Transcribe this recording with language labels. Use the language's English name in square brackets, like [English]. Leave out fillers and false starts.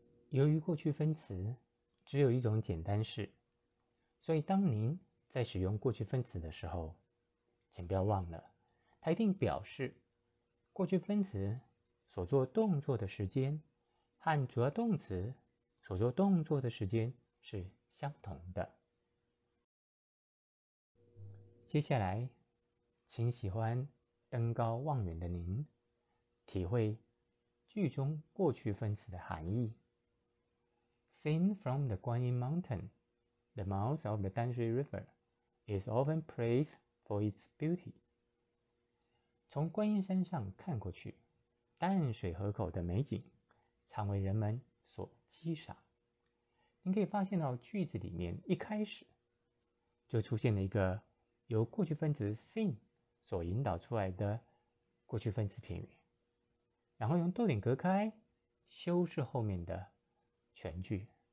[Chinese] 由于过去分词只有一种简单式，所以当您在使用过去分词的时候，请不要忘了，它一定表示过去分词所做动作的时间和主要动词所做动作的时间是相同的。接下来，请喜欢登高望远的您体会句中过去分词的含义。 [English] Seen from the Guanyin Mountain, the mouth of the Danshui River is often praised for its beauty. [Chinese] 从观音山上看过去，淡水河口的美景常为人们所激赏。你可以发现到句子里面一开始就出现了一个由过去分词 seen 所引导出来的过去分词片语，然后用逗点隔开修饰后面的全句。